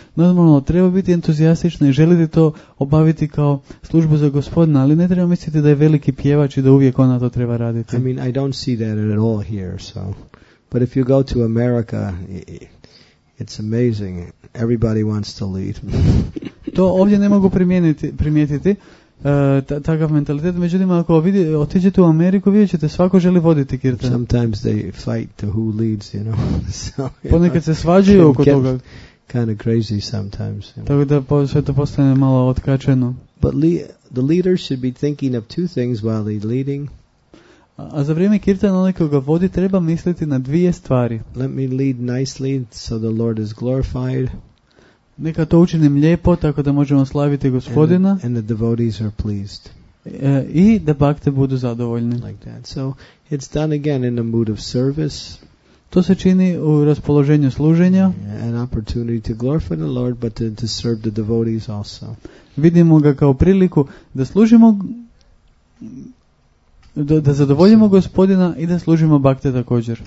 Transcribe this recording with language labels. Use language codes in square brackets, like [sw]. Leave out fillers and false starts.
[hr] Normalno treba biti entuzijastična i želiti to obaviti kao službu za Gospodina, ali ne treba misliti da je veliki pjevač i da uvijek ona to treba raditi. [en] I mean, I don't see that at all here, so. But if you go to America, it's amazing. Everybody wants to lead. [hr] To ovdje ne mogu primijetiti. Takav mentalitet. Međutim, ako otiđete u Ameriku, vidjet ćete, svako želi voditi kirtan. [en] Sometimes they fight to who leads, you know. [hr] Ponekad se svađaju oko toga. [en] Kind of crazy sometimes. [hr] Tako da sve to postane malo otkačeno. [en] But the leader should be thinking of two things while he's leading. [hr] A za vrijeme kirtana onaj koga vodi treba misliti na dvije stvari. [en] Let me lead nicely so the Lord is glorified. [hr] Neka to učinim lijepo, tako da možemo slaviti Gospodina. [en] And the devotees are pleased. [hr] I da bhakte budu zadovoljni. [en] Like that. So it's done again in a mood of service. [hr] To se čini u raspoloženju služenja. [en] An opportunity to glorify the Lord, but to serve the devotees also. [hr] Vidimo ga kao priliku da služimo, da zadovoljimo Gospodina i da služimo bhakte također.